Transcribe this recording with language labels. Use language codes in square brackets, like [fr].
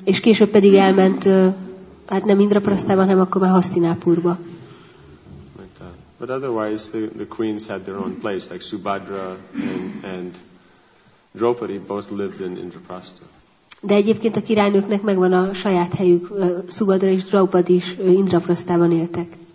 [hu] És később pedig elment, hát nem Indraprasthában, hanem akkor már Hastinapurba. [en] But otherwise, the queens had their own place, like Subhadra and Draupadi both lived in Indraprastha. [hu] De egyébként a királynőknek megvan a saját helyük, Subhadra és Draupadi is Indraprasthában éltek.